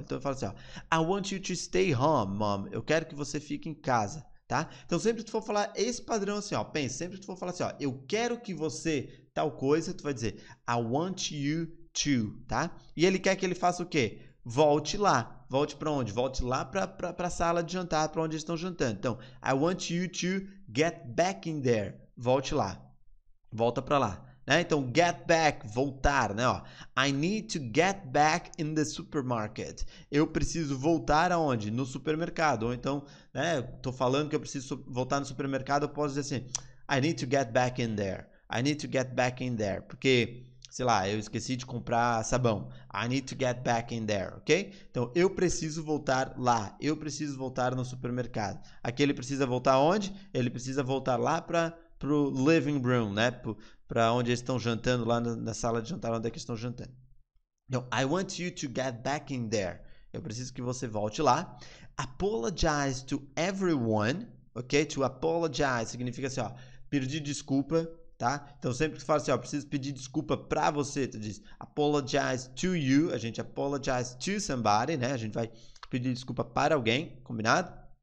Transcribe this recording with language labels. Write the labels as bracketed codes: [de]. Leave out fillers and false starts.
[pt] Então eu falo assim, ó, [en] I want you to stay home, mom, [pt] eu quero que você fique em casa. Tá? Então, sempre que tu for falar esse padrão assim, ó, pensa, sempre que tu for falar assim, ó, eu quero que você tal coisa, tu vai dizer, [en] I want you to, [pt] tá? E ele quer que ele faça o quê? Volte lá. Volte pra onde? Volte lá pra sala de jantar, pra onde eles estão jantando. [en] Então, I want you to get back in there. [pt] Volte lá. Volta pra lá. Né? Então, get back, voltar, né? Ó, [en] I need to get back in the supermarket. [pt] Eu preciso voltar aonde? No supermercado. Ou então, né? Tô falando que eu preciso voltar no supermercado, eu posso dizer assim, [en] I need to get back in there. I need to get back in there. [pt] Porque, sei lá, eu esqueci de comprar sabão. [en] I need to get back in there, ok? [pt] Então, eu preciso voltar lá. Eu preciso voltar no supermercado. Aqui ele precisa voltar aonde? Ele precisa voltar lá para pro living room, né? Para onde eles estão jantando, lá na sala de jantar, onde é que eles estão jantando. [en] Então, I want you to get back in there. [pt] Eu preciso que você volte lá. [en] Apologize to everyone, [pt] ok? To apologize significa assim, ó, pedir desculpa, tá? Então, sempre que tu fala assim, ó, preciso pedir desculpa para você, tu diz [en] apologize to you, [pt] a gente [en] apologize to somebody, [pt] né? A gente vai pedir desculpa para alguém, combinado?